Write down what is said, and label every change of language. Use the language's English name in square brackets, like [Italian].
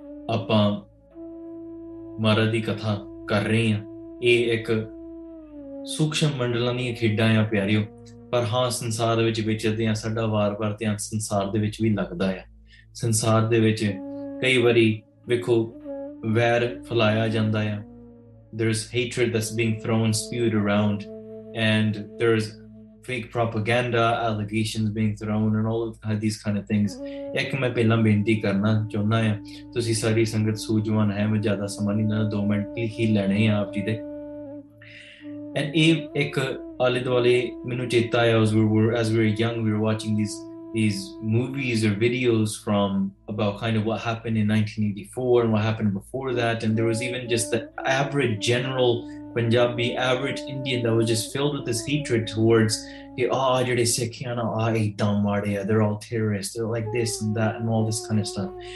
[Punjabi] ਆਪਾਂ ਮਹਾਰਾਜ ਦੀ ਕਥਾ ਕਰ ਰਹੇ ਹਾਂ ਇਹ ਇੱਕ ਸੂਖਸ਼ਮ ਮੰਡਲਾਂ ਦੀਆਂ ਖੇਡਾਂ ਆ ਪਿਆਰਿਓ ਪਰ ਹਾਂ ਸੰਸਾਰ ਵਿੱਚ ਵਿਚਰਦੇ ਹਾਂ ਸਾਡਾ ਵਾਰ ਵਾਰ ਧਿਆਨ ਸੰਸਾਰ ਦੇ ਵਿੱਚ ਵੀ ਲੱਗਦਾ ਆ ਸੰਸਾਰ ਦੇ ਵਿੱਚ ਕਈ ਵਾਰੀ ਵੇਖੋ ਵੈਰ ਫੈਲਾਇਆ ਜਾਂਦਾ ਆ [English] There is hatred that's being thrown spewed around and there is fake propaganda, allegations being thrown, and all of these kind of things. [Punjabi] ਇੱਕ ਮੈਂ ਪਹਿਲਾਂ ਬੇਨਤੀ ਕਰਨਾ ਚਾਹੁੰਦਾ ਹਾਂ, ਤੁਸੀਂ ਸਾਰੀ ਸੰਗਤ ਸੂਝਵਾਨ ਹੈ, ਮੈਂ ਜ਼ਿਆਦਾ ਸਮਾਂ ਨਹੀਂ ਲੈਣਾ, 2 ਮਿੰਟ ਹੀ ਲੈਣੇ ਆ ਆਪ ਜੀ ਦੇ। [English] And [Punjabi] ek aale dwale mainu cheta aaya, [English] as we were young, we were watching these movies or videos from about kind of what happened in 1984 and what happened before that, and there was even just the average general Punjabi, average Indian, that was just filled with this hatred towards [Punjabi] jehde sikhiana aa dam wale aa, [English] they're all terrorists, they're like this and that and all this kind of stuff.